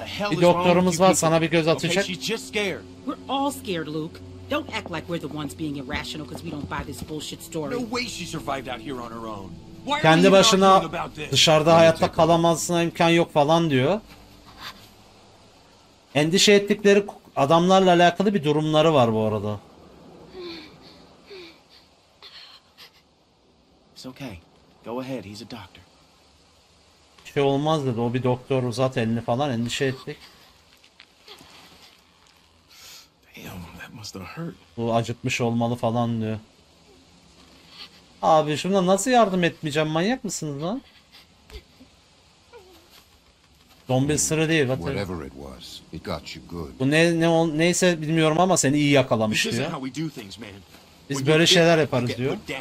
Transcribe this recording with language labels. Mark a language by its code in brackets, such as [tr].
[tr] Bir doktorumuz var, sana bir göz atacak. [en] We're all scared, Luke. Don't act like we're the ones being irrational because we don't buy this bullshit story. No way she survived out here on her own. [tr] Kendi başına dışarıda hayatta kalamazsına imkan yok falan diyor. Endişe ettikleri adamlarla alakalı bir durumları var bu arada. [en] It's okay. Go ahead. He's a doctor. [tr] Şey olmaz dedi. O bir doktor, uzat elini falan. Endişe ettik. [en] Damn, that must have hurt. [tr] Bu acıtmış olmalı falan diyor. Abi şuna nasıl yardım etmeyeceğim? Manyak mısınız lan? Zombi sıra değil. [en] Whatever it was, it got you good. [tr] Bu neyse bilmiyorum ama seni iyi yakalamış diyor. Biz böyle şeyler yaparız diyor.